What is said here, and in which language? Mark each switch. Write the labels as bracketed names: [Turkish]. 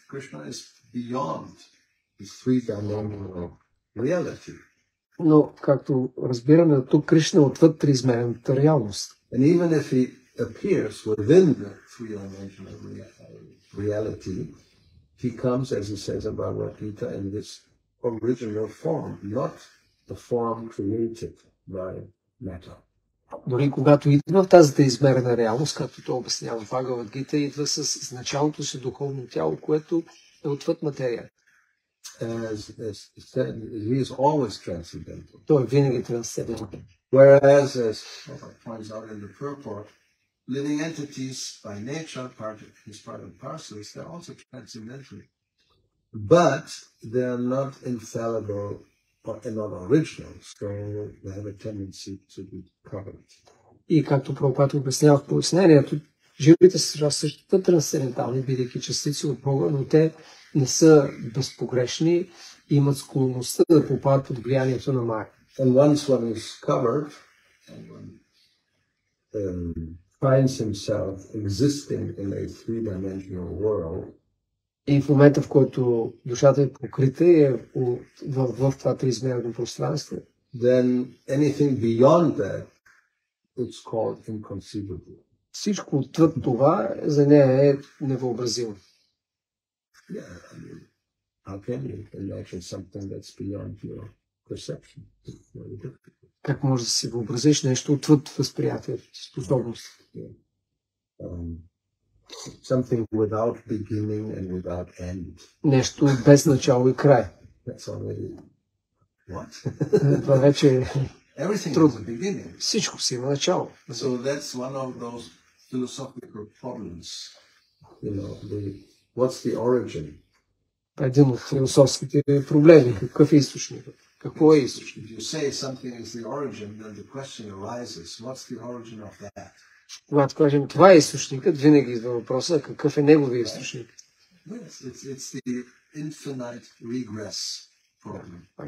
[English] Krishna is beyond the three-dimensional reality. [Bulgarian] Но, както разбираме, тук Кришна отвъд триизмерената реалност. [English] And even if he appears within the three-dimensional reality, he comes, as he says in Bhagavad Gita, in this original form, not the form created by matter. [Bulgarian] Дори когато идва в тази триизмерена реалност, както то обяснява Бхагавад Гита, идва с началото си духовно тяло, което е отвъд материята. [English] As said, he is always transcendental. [Bulgarian] Той винаги трансцендентен. [English] Whereas, as points out in the purport, living entities by nature, part of parcels, they're also transcendental. But they are not infallible or not original, so they have a tendency to be covered. [Bulgarian] И както Прабхупада обяснява в пояснението, живите същества трансцендентални, бидейки частици от Бога, но те не са безпогрешни, имат склонността да попадат под влиянието на Майя. [English] And once one is covered, and one finds himself existing in a three-dimensional world, [Bulgarian] и в момента, в който душата е покрита и е в това триизмерно пространство, [English] then anything beyond that, it's called inconceivable. [Bulgarian] Всичко отвъд това за нея е невъобразимо. [English] Yeah, I mean, how can you imagine something that's beyond your perception? [Bulgarian] Как можеш да си въобразиш нещо отвъд възприятието, способност? [English] Something without beginning and without end. [Bulgarian] Нещо без начало и край. [English] That's already... What? [Bulgarian] Това вече е трудно. Всичко си има начало. [English] So that's one of those philosophical problems, you know, what's the origin? [Bulgarian] Един от философските проблеми. Какъв е източникът? Какво е източникът? [English] If you say something is the origin, then the question arises, what's the origin of that? [Bulgarian] Когато кажем, това е източникът, винаги идва въпроса, какъв е неговият източник? [English] Yes, it's the infinite regress problem.